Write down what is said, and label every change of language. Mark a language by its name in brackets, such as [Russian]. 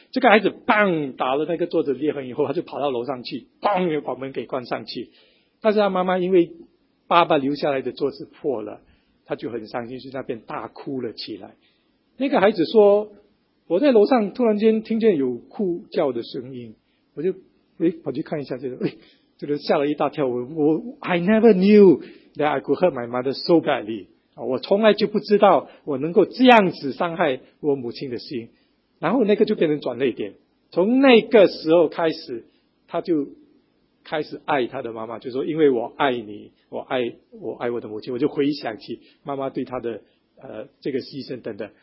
[Chinese] 这个孩子砰打了那个桌子裂痕以后，他就跑到楼上去砰又把门给关上去，但是他妈妈因为爸爸留下来的桌子破了，他就很伤心，去那边大哭了起来。那个孩子说我在楼上突然间听见有哭叫的声音，我就跑去看一下，这个吓了一大跳。我 [English] I never knew that I could hurt my mother so badly。 [Chinese] 我从来就不知道我能够这样子伤害我母亲的心。然后那个就变成转泪点。从那个时候开始，他就开始爱他的妈妈，就说因为我爱你，我爱我的母亲，我就回想起妈妈对他的这个牺牲等等。